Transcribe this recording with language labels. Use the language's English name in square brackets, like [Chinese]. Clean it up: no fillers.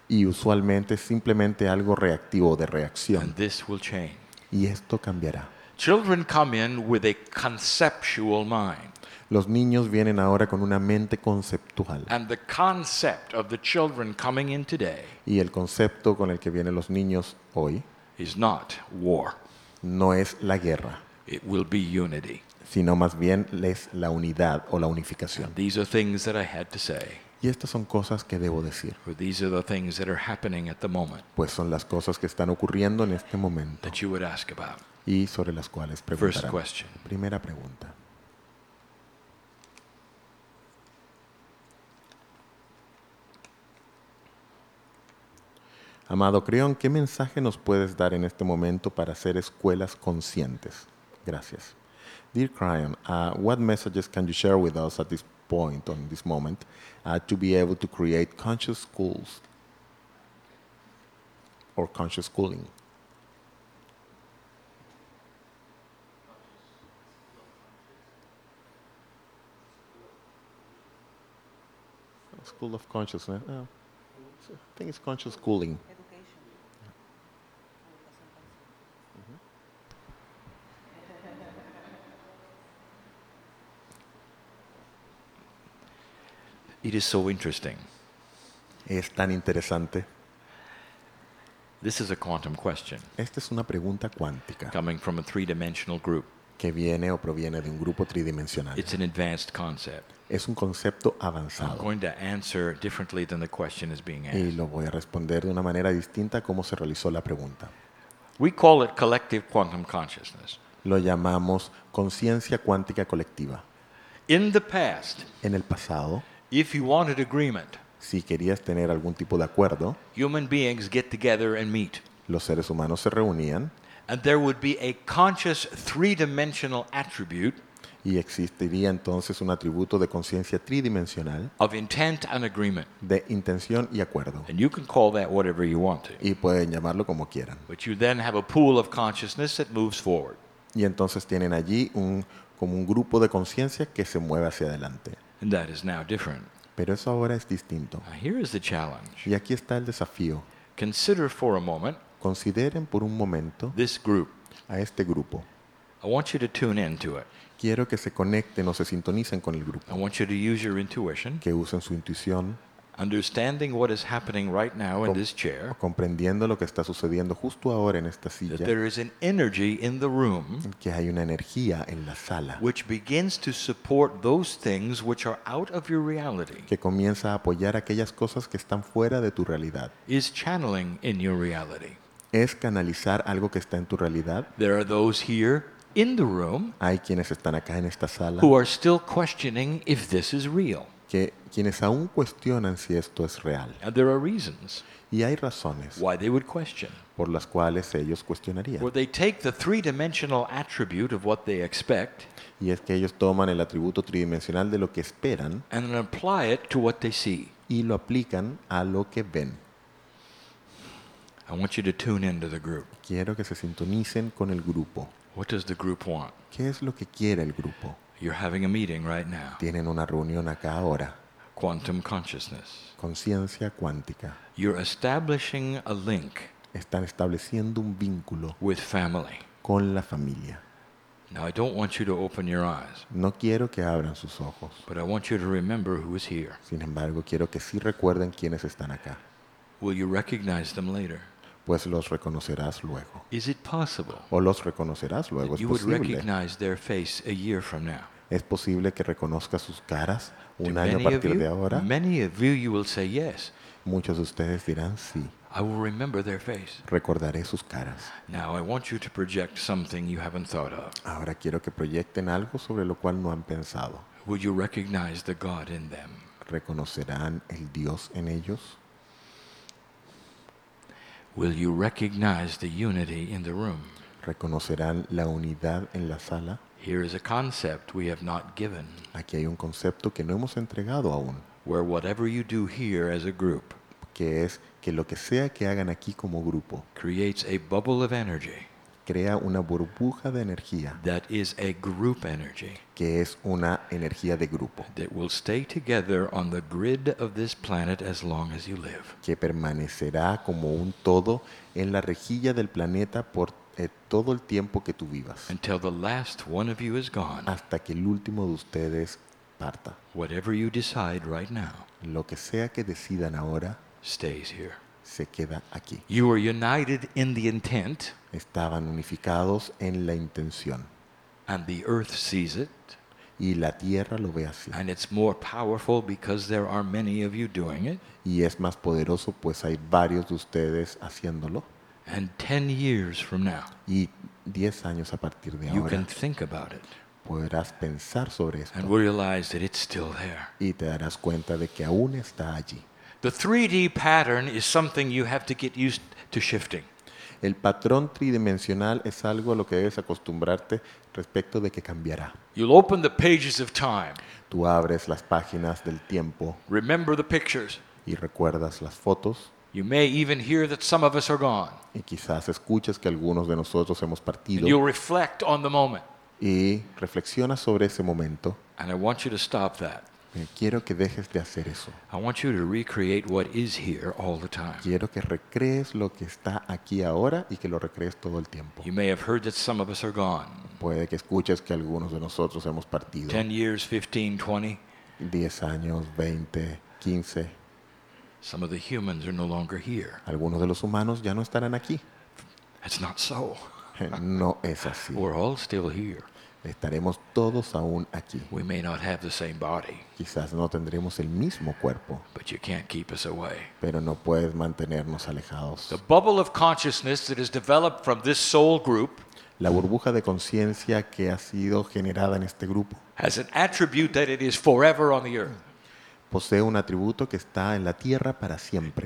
[Spanish] Y usualmente es simplemente algo reactivo de reacción. [English] And this will change. [Spanish] Y esto cambiará. [English] Children come in with a conceptual mind. [Spanish] Los niños vienen ahora con una mente conceptual. [English] And the concept of the children coming in today. [Spanish] Y el concepto con el que vienen los niños hoy. [English] Is not war. [Spanish] No es la guerra. [English] It will be unity. [Spanish] Sino más bien es la unidad o la unificación. [English] And these are things that I had to say. [Spanish] Y estas son cosas que debo decir. [English] For these are the things that are happening at the moment. [Spanish] Pues son las cosas que están ocurriendo en este momento. [English] That you would ask about. [Spanish] Y sobre las cuales preguntarán. [English] First question. [Spanish] Primera pregunta. Amado Creón, ¿qué mensaje nos puedes dar en este momento para hacer escuelas conscientes? Gracias. [English] Dear Creón, what messages can you share with us at this point, on this moment, to be able to create conscious schools or conscious schooling? School of consciousness. I think it's conscious schooling. It is so interesting. [Spanish] Es tan interesante. [English] This is a quantum question. [Spanish] Esta es una pregunta cuántica. [English] Coming from a three-dimensional group. [Spanish] Que viene o proviene de un grupo tridimensional. [English] It's an advanced concept. [Spanish] Es un concepto avanzado. [English] I'm going to answer differently than the question is being asked. [Spanish] Y lo voy a responder de una manera distinta a cómo se realizó la pregunta. [English] We call it collective quantum consciousness. [Spanish] Lo llamamos conciencia cuántica colectiva. [English] In the past. [Spanish] En el pasado. [English] If you wanted agreement, [Spanish] si querías tener algún tipo de acuerdo, [English] human beings get together and meet. [Spanish] Los seres humanos se reunían, [English] and there would be a conscious three-dimensional attribute. [Spanish] Y existiría entonces un atributo de conciencia tridimensional, [English] of intent and agreement, [Spanish] de intención y acuerdo. [English] And you can call that whatever you want to. [Spanish] Y pueden llamarlo como quieran. [English] But you then have a pool of consciousness that moves forward. [Spanish] Y entonces tienen allí un como un grupo de conciencia que se mueve hacia adelante. [English] And that is now different. [Spanish] Pero eso ahora es distinto. [English] Now here is the challenge. [Spanish] Y aquí está el desafío. [English] Consider for a moment. [Spanish] Consideren por un momento. [English] This group. [Spanish] A este grupo. [English] I want you to tune into it. [Spanish] Quiero que se conecten o se sintonicen con el grupo. [English] I want you to use your intuition. [Spanish] Que usen su intuición. [English] Understanding what is happening right now in this chair. [Spanish] Comprendiendo lo que está sucediendo justo ahora en esta silla. [English] That there is an energy in the room. [Spanish] Que hay una energía en la sala. [English] Which begins to support those things which are out of your reality. [Spanish] Que comienza a apoyar aquellas cosas que están fuera de tu realidad. [English] Is channeling in your reality. [Spanish] Es canalizar algo que está en tu realidad. [English] There are those here in the room. [Spanish] Hay quienes están acá en esta sala. [English] Who are still questioning if this is real. [Spanish] Que quienes aún cuestionan si esto es real. [English] And there are reasons. [Spanish] Y hay razones. [English] Why they would question. [Spanish] Por las cuales ellos cuestionarían. [English] Where they take the three-dimensional attribute of what they expect. [Spanish] Y es que ellos toman el atributo tridimensional de lo que esperan. [English] And apply it to what they see. [Spanish] Y lo aplican a lo que ven. [English] I want you to tune into the group. [Spanish] Quiero que se sintonicen con el grupo. [English] What does the group want? [Spanish] ¿Qué es lo que quiere el grupo? [English] You're having a meeting right now. [Spanish] Tienen una reunión acá ahora. [English] Quantum consciousness. [Spanish] Conciencia cuántica. [English] You're establishing a link. [Spanish] Están estableciendo un vínculo. [English] With family. [Spanish] Con la familia. [English] Now I don't want you to open your eyes. [Spanish] No quiero que abran sus ojos. [English] But I want you to remember who is here. [Spanish] Sin embargo, quiero que sí recuerden quiénes están acá. [English] Will you recognize them later? [Spanish] Pues los reconocerás luego. [English] Is it possible? [Spanish] O los reconocerás luego. [English] You would recognize their face a year from now. [Spanish] Es posible que reconozca sus caras un año a partir de ahora. [English] Many of you, you will say yes. [Spanish] Muchos de ustedes dirán sí. [English] I will remember their face. [Spanish] Recordaré sus caras. [English] Now I want you to project something you haven't thought of. [Spanish] Ahora quiero que proyecten algo sobre lo cual no han pensado. [English] Would you recognize the God in them? [Spanish] ¿Reconocerán el Dios en ellos? [English] Will you recognize the unity in the room? [Spanish] ¿Reconocerán la unidad en la sala? [English] Here is a concept we have not given. [Spanish] Aquí hay un concepto que no hemos entregado aún. [English] Where whatever you do here as a group, [Spanish] que es que lo que sea que hagan aquí como grupo, [English] creates a bubble of energy, [Spanish] crea una burbuja de energía, [English] that is a group energy, [Spanish] que es una energía de grupo, [English] that will stay together on the grid of this planet as long as you live, [Spanish] que permanecerá como un todo en la rejilla del planeta por todo el tiempo que tú vivas, [English] until the last one of you is gone, [Spanish] hasta que el último de ustedes parta. [English] Whatever you decide right now, [Spanish] lo que sea que decidan ahora, [English] stays here, [Spanish] se queda aquí. [English] You are united in the intent, [Spanish] estaban unificados en la intención, [English] and the earth sees it, [Spanish] y la tierra lo ve así, [English] and it's more powerful because there are many of you doing it, [Spanish] y es más poderoso pues hay varios de ustedes haciéndolo. [English] And 10 years from now, [Spanish] y 10 años a partir de [English] you [Spanish] ahora, [English] can think about it, [Spanish] podrás pensar sobre esto, [English] and realize that it's still there, [Spanish] y te darás cuenta de que aún está allí. [English] The 3D pattern is something you have to get used to shifting. [Spanish] El patrón tridimensional es algo a lo que debes acostumbrarte respecto de que cambiará. [English] You'll open the pages of time. [Spanish] Tú abres las páginas del tiempo. [English] Remember the pictures. [Spanish] Y recuerdas las fotos. [English] You may even hear that some of us are gone. [Spanish] Y quizás escuches que algunos de nosotros hemos partido. [English] And you'll reflect on the moment. [Spanish] Y reflexionas sobre ese momento. [English] And I want you to stop that. [Spanish] Quiero que dejes de hacer eso. [English] I want you to recreate what is here all the time. [Spanish] Quiero que recrees lo que está aquí ahora y que lo recrees todo el tiempo. [English] You may have heard that some of us are gone. [Spanish] Puede que escuches que algunos de nosotros hemos partido. [English] 10 years, 15, 20. [Spanish] 10 años, 20, 15. [English] Some of the humans are no longer here. [Spanish] Algunos de los humanos ya no estarán aquí. [English] It's not so. [Spanish] No es así. [English] We're all still here. [Spanish] Estaremos todos aún aquí. [English] We may not have the same body. [Spanish] Quizás no tendremos el mismo cuerpo. [English] But you can't keep us away. [Spanish] Pero no puedes mantenernos alejados. [English] The bubble of consciousness that is developed from this soul group, [Spanish] la burbuja de conciencia que ha sido generada en este grupo, [English] has an attribute that it is forever on the earth. [Spanish] Posee un atributo que está en la tierra para siempre.